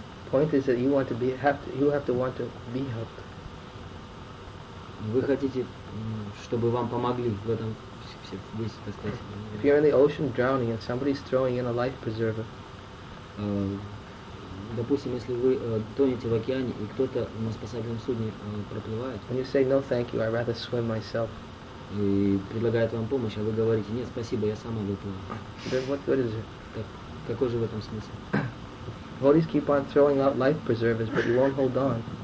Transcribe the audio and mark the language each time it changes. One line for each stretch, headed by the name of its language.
English: Point is that you want to be you have to want to be helped.
Russian: Вы хотите, чтобы вам помогли в этом все весь процесс.
English: If you're in the ocean drowning and somebody's throwing in a life preserver.
Russian: Допустим, если вы тонете в океане и кто-то на спасательном судне проплывает.
English: And you say no, thank you, I'd rather swim myself.
Russian: И предлагает вам помощь, а вы говорите нет, спасибо, я сама выплыву.
English: Then what good is it?
Russian: Какой же в этом смысл?
English: Devotees keep on throwing out life preservers, but you won't hold on.